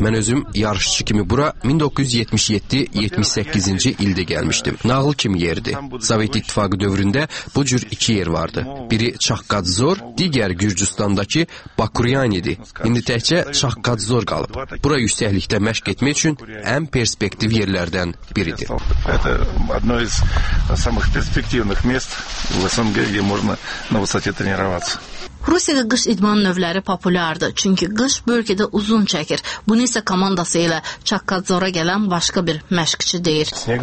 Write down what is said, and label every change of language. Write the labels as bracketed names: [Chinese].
[Azerbaijani] Mən özüm yarışçı kimi bura 1977-78-ci ildə gəlmişdim. Nağıl kimi yerdi. Sovet İttifaqı dövründə bu cür iki yer vardı. Biri Çahkadzor, digər Gürcüstandakı Bakuryan idi. İndi təkcə Çahkadzor qalıb. Bura yüksəklikdə məşq etmək üçün ən perspektiv yerlərdən biridir. [Russian] Одно из самых перспективных мест в СНГ, где можно на высоте тренироваться. [Azerbaijani] Rusiyada qış idman növləri populyardır, çünki qış bölgədə uzun çəkir. Bunu isə komandası ilə Çahkadzora gələn başqa bir məşqçi deyir.